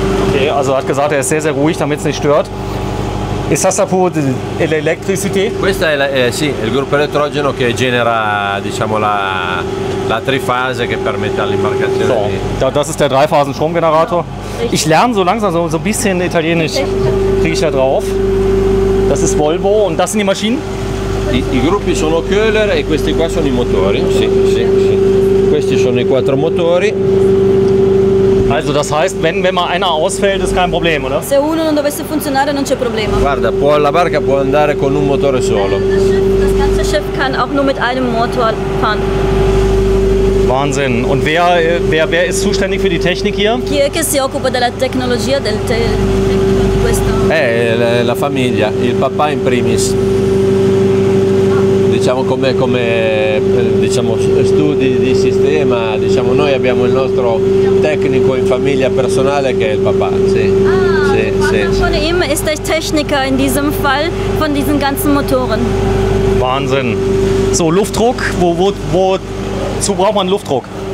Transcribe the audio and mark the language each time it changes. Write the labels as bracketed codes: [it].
[de] Okay, also hat gesagt, er ist sehr sehr ruhig, damit es nicht stört. Ist das [fr] pour l'électricité? [it] Questa è sì, il gruppo elettrogeno che genera, diciamo, la trifase che permette all'imbarcazione. [de] So, das ist der Dreiphasenstromgenerator. Ich lerne so langsam so ein bisschen Italienisch. Kriege ich da drauf? Das ist Volvo und das sind die Maschinen? [it] I gruppi sono Köhler e questi qua sono i motori. Sì, sì, sì. Questi sono i quattro motori. [de] Also das heißt, wenn mal einer ausfällt, ist kein Problem, oder? [it] Se uno non dovesse funzionare, non c'è problema. Guarda, la barca può andare con un motore solo. [de] Das ganze Schiff kann auch nur mit einem Motor fahren. Wahnsinn. Und wer ist zuständig für die Technik hier? Chi è che si occupa della tecnologia del questo? La famiglia, il papà in primis. Diciamo come diciamo studi di sistema, diciamo noi abbiamo il nostro tecnico in famiglia personale che è il papà, sì. [it] Ah, sì, il papà di lui è il tecnico in questo caso di questi [de] ganzen Motoren. Wahnsinn. So, Luftdruck, wozu braucht man Luftdruck?